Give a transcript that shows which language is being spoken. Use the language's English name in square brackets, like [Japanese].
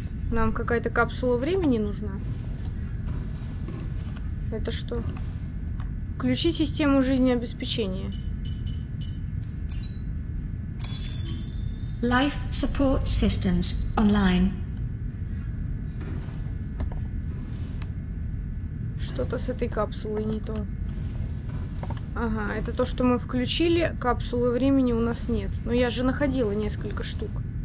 [Russian] Нам какая-то капсула времени нужна. Это что? Включи систему жизнеобеспечения. [English] Life support systems online. [Russian] Что-то с этой капсулой не то. Ага, это то, что мы включили. Капсулы времени у нас нет. Но я же находила несколько штук.